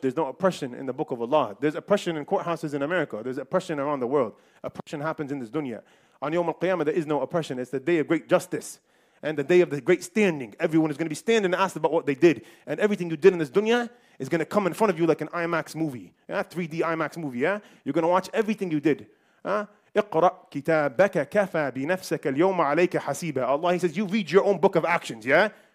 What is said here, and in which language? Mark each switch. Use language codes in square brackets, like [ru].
[en] There's no oppression in the book of Allah. There's oppression in courthouses in America. There's oppression around the world. Oppression happens in this dunya. On Yawm al-Qiyamah, there is no oppression. It's the day of great justice and the day of the great standing. Everyone is going to be standing and asked about what they did. And everything you did in this dunya is going to come in front of you like an IMAX movie. Yeah, 3D IMAX movie, yeah? You're going to watch everything you did. [ar] اقرأ كتابك كفى بنفسك اليوم عليك حسيبا. [en] Allah, he says, you read your own book of actions, yeah?